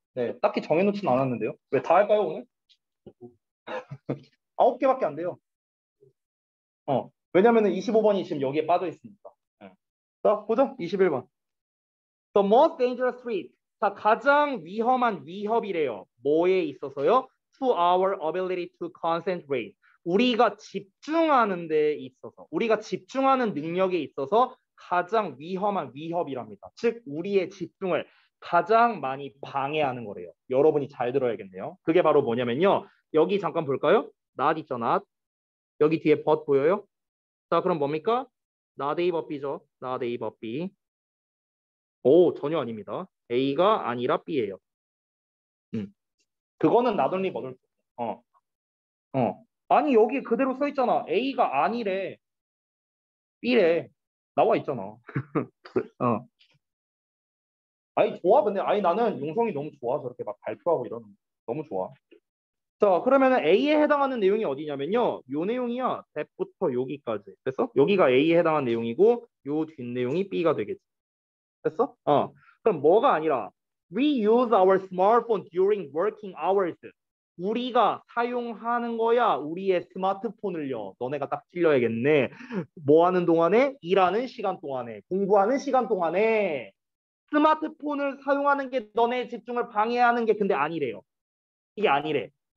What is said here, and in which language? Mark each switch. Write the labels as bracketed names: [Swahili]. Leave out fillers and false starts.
[Korean] 네, 딱히 정해놓진 않았는데요. 왜 다 할까요, 오늘? 9개밖에 안 돼요. 왜냐면은 25번이 지금 여기에 빠져 있으니까. [English] 자, [Korean] 보자. [English] 21번. The most dangerous threat. [Korean] 자, 가장 위험한 위협이래요. 뭐에 있어서요? [English] To our ability to concentrate. [Korean] 우리가 집중하는 데 있어서, 우리가 집중하는 능력에 있어서 가장 위험한 위협이랍니다. 즉, 우리의 집중을 가장 많이 방해하는 거래요. 여러분이 잘 들어야겠네요. 그게 바로 뭐냐면요. 여기 잠깐 볼까요? not 있죠, not. 여기 뒤에 but 보여요? 자, 그럼 뭡니까? [English] not A, but B [Korean] 죠. not A, but B. 오, 전혀 아닙니다. A가 아니라 B예요. 그거는 [English] not only, but [Korean] 을. 아니, 여기 그대로 써 있잖아. A가 아니래. B래. 나와 있잖아. 아니, 좋아, 근데. 아니, 나는 용성이 너무 좋아. 저렇게 막 발표하고 이러는 거. 너무 좋아. 자, 그러면은 A에 해당하는 내용이 어디냐면요. 요 내용이야. 대부터 여기까지. 됐어? 여기가 A에 해당한 내용이고, 요 뒷내용이 B가 되겠지. 됐어? 그럼 뭐가 아니라, [English] We use our smartphone during working hours. [Korean] 우리가 사용하는 거야, 우리의 스마트폰을요. 너네가 딱 찔려야겠네. 뭐 하는 동안에? 일하는 시간 동안에, 공부하는 시간 동안에 스마트폰을 사용하는 게 너네 집중을 방해하는 게 근데 아니래요. 이게 아니래.